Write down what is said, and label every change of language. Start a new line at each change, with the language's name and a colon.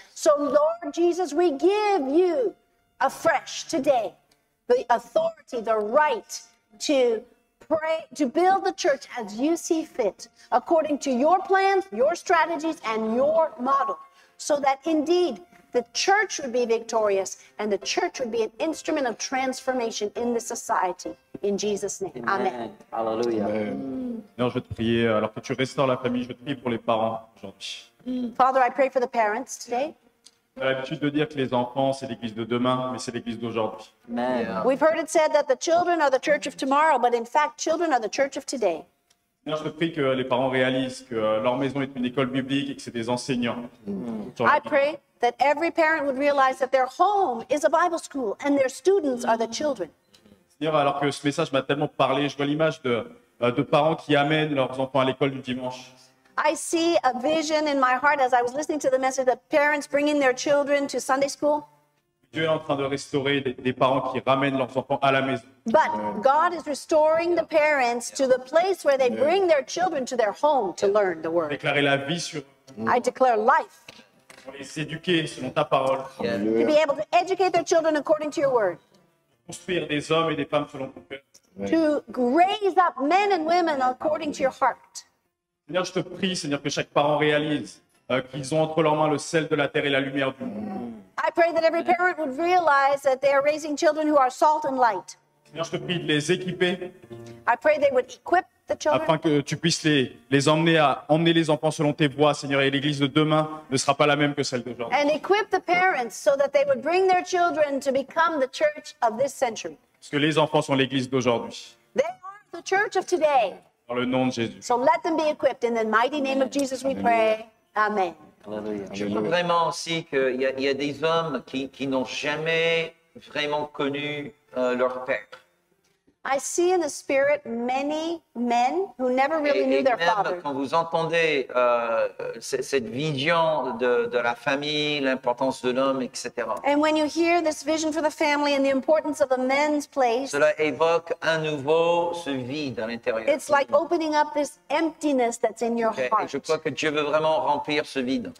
English: So Lord Jesus, we give you afresh today the authority, the right to pray, to build the church as you see fit, according to your plans, your strategies, and your model, so that indeed the church would be victorious and the church would be an instrument of transformation in the society. In Jesus' name. Amen. Amen. Hallelujah. Amen.
French: Seigneur, je vais te prier, alors que tu restaures la famille, je te prie pour les parents aujourd'hui.
English: Father, I pray for the parents today.
French: On a l'habitude de dire que les enfants, c'est l'église de demain, mais c'est l'église d'aujourd'hui.
English: Amen. We've heard it said that the children are the church of tomorrow, but in fact, children are the church of today.
French: Seigneur, je te prie que les parents réalisent que leur maison est une école biblique et que c'est des enseignants.
English: I pray that every parent would realize that their home is a Bible school and their students are the children.
French: Seigneur, alors que ce message m'a tellement parlé, je vois l'image de parents qui amènent leurs enfants à l'école du dimanche.
English: I see a vision in my heart as I was listening to the message that parents bring in their children to Sunday school.
French: Dieu est en train de restaurer des parents qui ramènent leurs enfants à la maison.
English: But God is restoring the parents to the place where they bring their children to their home to learn the word.
French: Déclarer la vie sur.
English: I declare life.
French: Pour les éduquer selon ta parole.
English: Yeah. To be able to educate their children according to your word.
French: Construire des hommes et des femmes selon ton cœur.
English: To raise up men and women according to your heart.
French: Seigneur, je te prie, Seigneur, que chaque parent réalise qu'ils ont entre leurs mains le sel de la terre et la lumière du monde.
English: I pray that every parent would realize that they are raising children who are salt and light.
French: Seigneur, je te prie de les équiper.
English: I pray they would equip the children.
French: Afin que tu puisses les emmener à emmener les enfants selon tes voies, Seigneur, et l'église de demain ne sera pas la même que celle d'aujourd'hui.
English: And equip the parents so that they would bring their children to become the church of this century.
French: Parce que les enfants sont l'église d'aujourd'hui.
English: They are the church of today.
French: Dans le nom de Jésus.
English: So let them be equipped in the mighty name of Jesus we pray. Amen.
French: Je veux vraiment aussi qu'il y a des hommes qui n'ont jamais vraiment connu leur père.
English: I see in the spirit many men who never really knew their father.
French: Et même quand vous entendez cette vision de la famille, l'importance de l'homme, etc.
English: And when you hear this vision for the family and the importance of the men's place,
French: cela évoque à nouveau ce vide à l'intérieur.
English: It's like opening up this emptiness that's in your heart.
French: Et je crois que Dieu veut vraiment remplir ce vide.